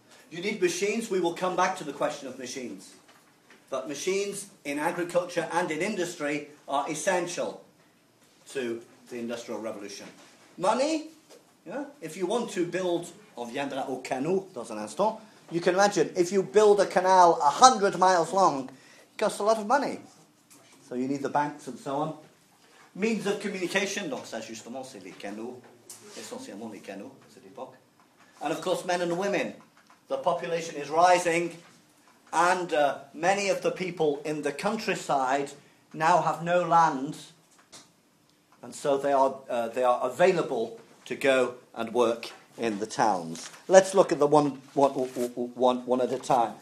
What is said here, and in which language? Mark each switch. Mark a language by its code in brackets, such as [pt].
[en] You need machines? We will come back to the question of machines. But machines in agriculture and in industry are essential to the Industrial Revolution. Money? Yeah? If you want to build, [fr] on viendra au canot, dans un instant, [en] you can imagine, if you build a canal 100 miles long, it costs a lot of money. So you need the banks and so on. Means of communication, [fr] donc ça justement, c'est les canaux, essentiellement les canaux, à cette époque. [en] And of course, men and women. The population is rising, and many of the people in the countryside now have no land, and so they are available to go and work in the towns. Let's look at the one at a time.